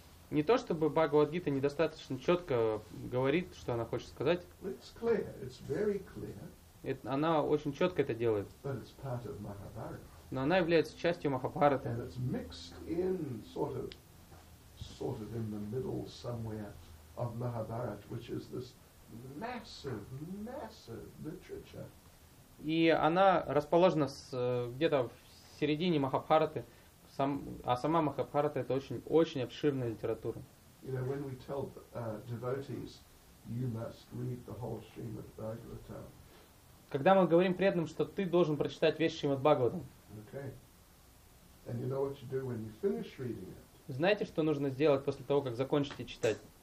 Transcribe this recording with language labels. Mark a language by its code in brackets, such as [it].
[ru] Не то, чтобы Бхагавад Гита недостаточно четко говорит, что она хочет сказать. [en] It's clear. It's very clear. [ru] Она очень четко это делает. [en] But it's part of Mahabharata. [ru] Но она является частью Махабхараты. [en] And it's mixed in sort of in the middle somewhere of Mahabharata, which is this massive literature. [ru] И она расположена где-то в середине Махабхараты, сама Махабхарата это очень обширная литература. [en] You know, when we tell devotees, you must read the whole Srimad Bhagavatam. [ru] Когда мы говорим преданным, что ты должен прочитать весь Шримад Бхагаватам. [en] Okay. And you know what you do when you finish reading it. [ru] Знаете, что нужно сделать после того, как закончите читать?